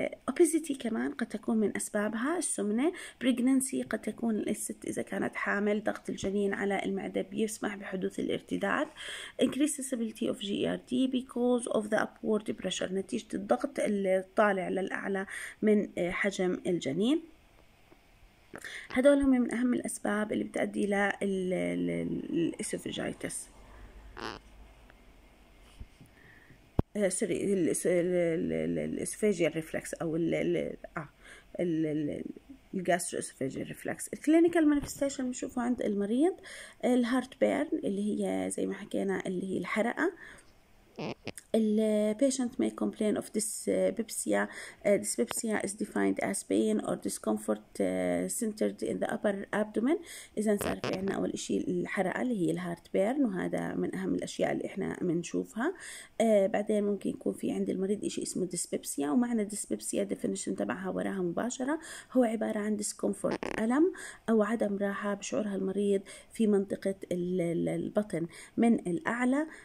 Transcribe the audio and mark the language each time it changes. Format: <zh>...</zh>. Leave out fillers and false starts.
<ar>obesity كمان قد تكون من أسبابها، السمنة، pregnancy قد تكون الست إذا كانت حامل، ضغط الجنين على المعدة بيسمح بحدوث الارتداد.</ar> <en>increase sensibility of GERD because of the upward pressure،</en> <ar>نتيجة الضغط الطالع للأعلى من حجم الجنين. هذول هم من أهم الأسباب اللي بتأدي للإسوفجايتس، سوري الإسوفجيال ريفلكس أو الجاسترو اسوفيجال ريفلكس. الكلينيكال مانيفستيشن بنشوفه عند المريض الهارت بيرن اللي هي زي ما حكينا اللي هي الحرقه.</ar> <en>البيشنت may complain of dyspepsia. Dyspepsia is defined as pain or discomfort centered in the upper abdomen.</en> <ar>إذا صار في عنا أول إشي الحرقة اللي هي الهارت بيرن وهذا من أهم الأشياء اللي إحنا بنشوفها. بعدين ممكن يكون في عند المريض إشي اسمه dyspepsia، ومعنى dyspepsia definition تبعها وراها مباشرة هو عبارة عن discomfort ألم أو عدم راحة بشعورها المريض في منطقة البطن من الأعلى.</ar>